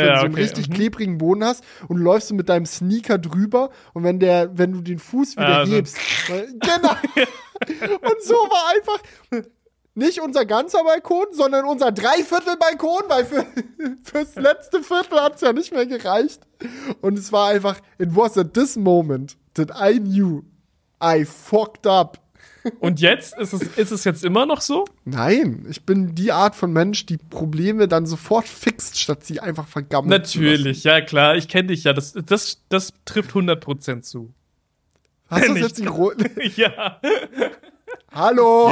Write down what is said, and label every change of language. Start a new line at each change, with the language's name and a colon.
German: Ja, wenn du so einen richtig klebrigen Boden hast und läufst du mit deinem Sneaker drüber und wenn du den Fuß wieder hebst. Genau. Und so war einfach nicht unser ganzer Balkon, sondern unser Dreiviertel-Balkon, weil fürs letzte Viertel hat es ja nicht mehr gereicht. Und es war einfach,
English: it was at this moment that I knew I fucked up.
German: Und jetzt? Ist es jetzt immer noch so? Nein, ich bin die Art von Mensch, die Probleme dann sofort fixt, statt sie einfach vergammeln natürlich, zu lassen. Ja klar, ich kenne dich ja, das trifft 100% zu. Hast du das jetzt in Rot? Ja. Hallo?